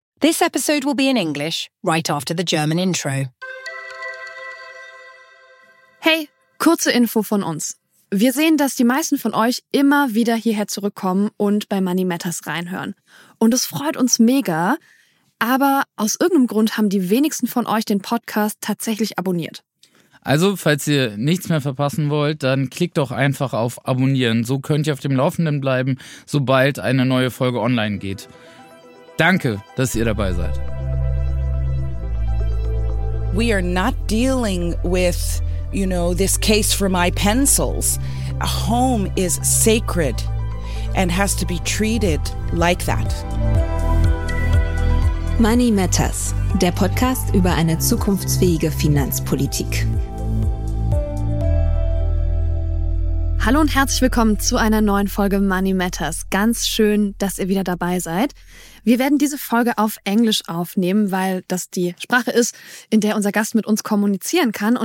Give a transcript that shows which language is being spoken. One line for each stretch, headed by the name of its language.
English: This episode will be in English, right after the German intro.
German: Hey, kurze Info von uns. Wir sehen, dass die meisten von euch immer wieder hierher zurückkommen und bei Money Matters reinhören. Und es freut uns mega, aber aus irgendeinem Grund haben die wenigsten von euch den Podcast tatsächlich abonniert. Also, falls ihr nichts mehr verpassen wollt, dann klickt doch einfach auf Abonnieren. So könnt ihr auf dem Laufenden bleiben, sobald eine neue Folge online geht. Danke, dass ihr dabei seid.
English: We are not dealing with, you know, this case for my pencils. A home is sacred and has to be treated like that.
German: Money Matters, der Podcast über eine zukunftsfähige Finanzpolitik. Hallo und herzlich willkommen zu einer neuen Folge Money Matters. Ganz schön, dass ihr wieder dabei seid. Wir werden diese Folge auf Englisch aufnehmen, weil das die Sprache ist, in der unser Gast mit uns kommunizieren kann.